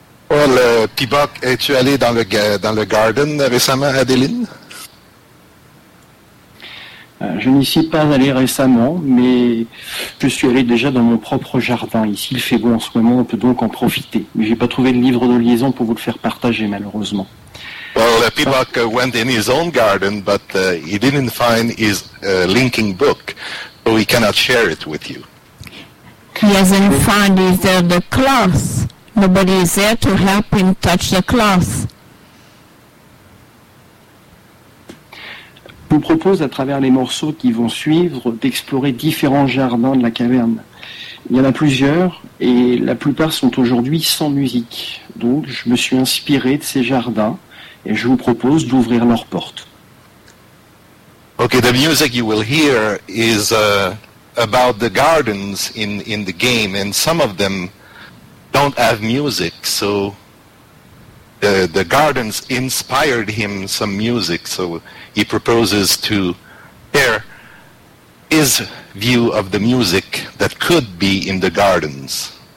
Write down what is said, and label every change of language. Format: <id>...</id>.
<fr>Well, Pibok, es-tu allé dans le garden récemment, Adeline? Je n'y suis pas allé récemment, mais je suis allé déjà dans mon propre jardin. Ici, il fait bon en ce moment, on peut donc en profiter. Mais je n'ai pas trouvé le livre de liaison pour vous le faire partager, malheureusement.</fr> <en>Well, Pibok went in his own garden, but he didn't find his linking book, so he cannot share it with you. He hasn't found either the cloth. Nobody is there to help him touch the cloth.</en> <fr>Je vous propose, à travers les morceaux qui vont suivre, d'explorer différents jardins de la caverne. Il y en a plusieurs, et la plupart sont aujourd'hui sans musique. Donc, je me suis inspiré de ces jardins. Et je vous propose d'ouvrir leurs portes.</fr> <en>Okay, the music you will hear is about the gardens in the game, and some of them don't have music, so the gardens inspired him some music, so he proposes to share his view of the music that could be in the gardens.</en>